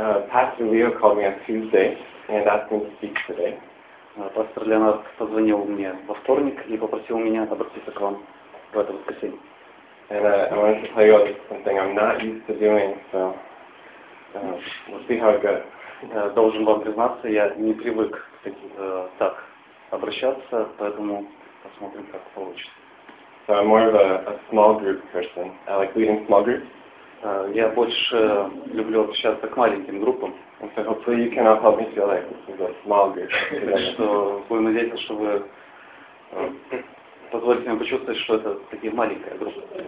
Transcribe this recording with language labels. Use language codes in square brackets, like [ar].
[en] Pastor Leo called me on Tuesday and asked me to speak today. [ru] Пастор Леонард позвонил мне во вторник и попросил меня обратиться к вам в это воскресенье. [en] And I wanted to tell you all something I'm not used to doing, so we'll see how it goes. [ru] Должен вам признаться, я не привык так обращаться, поэтому посмотрим, как получится. [en] So I'm more of a small group person. I like leading small groups. [ru] Я больше люблю общаться к маленьким группам. [en] And so hopefully you can help me feel like this is a small group. [ru] Что будем надеяться, что вы позволите мне почувствовать, что это такие маленькая группа.